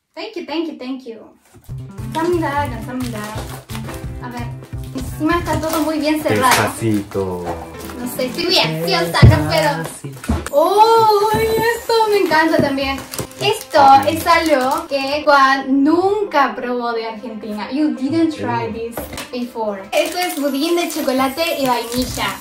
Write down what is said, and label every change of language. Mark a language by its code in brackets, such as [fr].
[en] Thank you. [es] Está mirada. A ver, encima está todo muy bien cerrado. Despacito. No sé, estoy bien, sí, o sea, no puedo. ¡Uy! Oh, esto me encanta también. Esto es algo que Juan nunca probó de Argentina. [en] You didn't try this before. [es] Esto es budín de chocolate y vainilla.